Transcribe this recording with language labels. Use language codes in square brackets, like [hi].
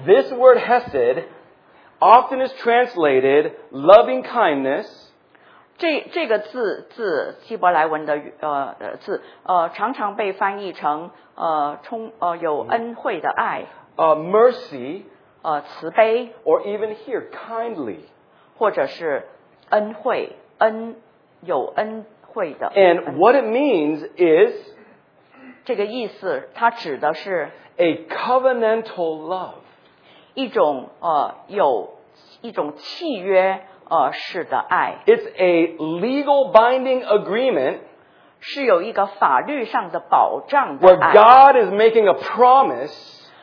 [en] This word hesed often is translated loving kindness. [zh] 这个字希伯来文的字常常被翻译成有恩惠的爱 [en] mercy [zh] 慈悲 [en] or even here kindly [zh] 或者是恩惠恩有恩惠的 [en] and what it means is [zh] 这个意思它指的是 [en] a covenantal love [zh] 一种有一种契约式的爱 [en] it's a legal binding agreement [zh] 是有一个法律上的保障的爱 [en] Where God is making a promise,